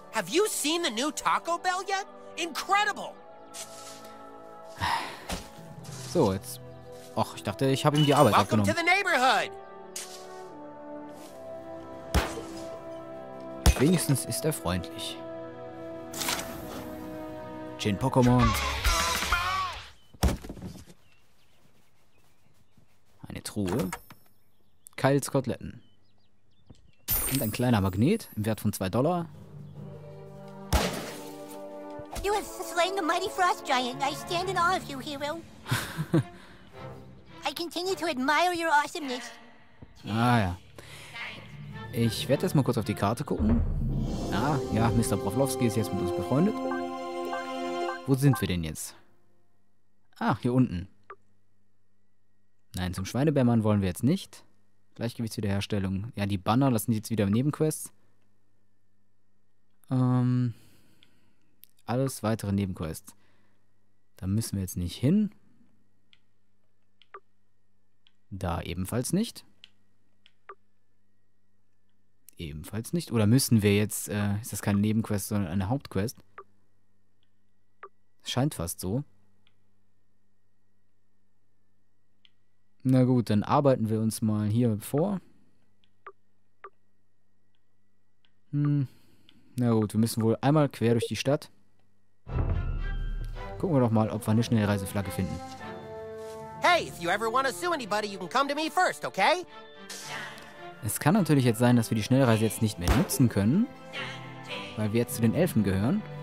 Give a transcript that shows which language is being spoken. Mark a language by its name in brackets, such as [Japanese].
[English] Have you seen the new Taco Bell yet? Incredible! [German] So, jetzt. Och, ich dachte, ich habe ihm die Arbeit [English] Welcome [German] abgenommen. [English] To the neighborhood. [German] Wenigstens ist er freundlich. Gin Pokémon. Eine Truhe. Kyles Koteletten. Und ein kleiner Magnet im Wert von $2. [English] You have slain the mighty frost giant. I stand in awe of you, hero. I continue to admire your awesomeness. [German] Ah ja. Ich werde jetzt mal kurz auf die Karte gucken. Ah, ja, Mr. Broflowski ist jetzt mit uns befreundet. Wo sind wir denn jetzt? Ah, hier unten. Nein, zum Schweinebärmann wollen wir jetzt nicht. Gleichgewichtswiederherstellung. Ja, die Banner lassen sich jetzt wieder im Nebenquest. Alles weitere Nebenquests. Da müssen wir jetzt nicht hin. Da ebenfalls nicht. Ebenfalls nicht. Oder müssen wir jetzt, ist das keine Nebenquest, sondern eine Hauptquest? Scheint fast so. Na gut, dann arbeiten wir uns mal hier vor. Na gut, wir müssen wohl einmal quer durch die Stadt. Gucken wir doch mal, ob wir eine Schnellreiseflagge finden. [English] Hey, if you ever want to sue anybody, you can come to me first, okay? [German] Es kann natürlich jetzt sein, dass wir die Schnellreise jetzt nicht mehr nutzen können, weil wir jetzt zu den Elfen gehören.